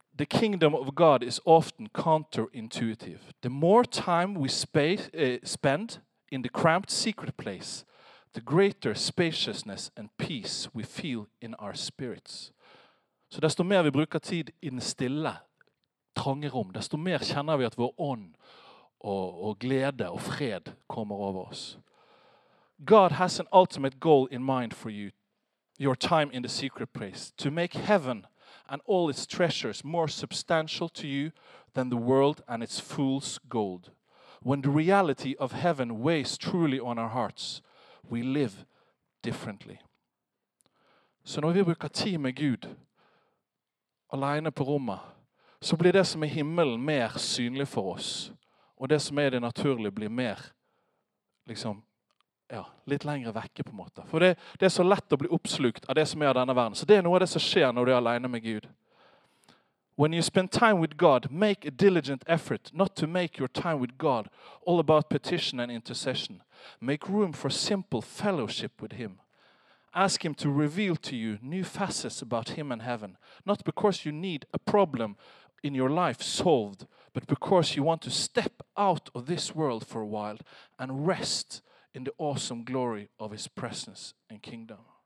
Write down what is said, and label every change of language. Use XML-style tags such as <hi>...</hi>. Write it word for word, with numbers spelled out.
<en>The kingdom of God is often counterintuitive. The more time we space, uh, spend in the cramped secret place, the greater spaciousness and peace we feel in our spirits.</en> <no>Så desto mer vi bruker tid i den stille, trange rom, desto mer kjenner vi at vår ånd og, og glede og fred kommer over oss.</no> <en>God has an ultimate goal in mind for you, your time in the secret place, to make heaven and all its treasures more substantial to you than the world and its fool's gold. When the reality of heaven weighs truly on our hearts, we live differently.</en> <no>Så når vi bruker tid med Gud, alene på rommet, så blir det som er himmelen mer synlig for oss, og det som er det naturlige blir mer liksom ja, litt lengre vekke på en måte. For det, det er så lett å bli oppslukt av det som er av denne verden. Så det er noe av det som skjer når du er alene med Gud.</no> <en>When you spend time with God, make a diligent effort not to make your time with God all about petition and intercession. Make room for simple fellowship with Him. Ask Him to reveal to you new facets about Him and heaven, not because you need a problem in your life solved, but because you want to step out of this world for a while and rest in the awesome glory of His presence and kingdom.</en>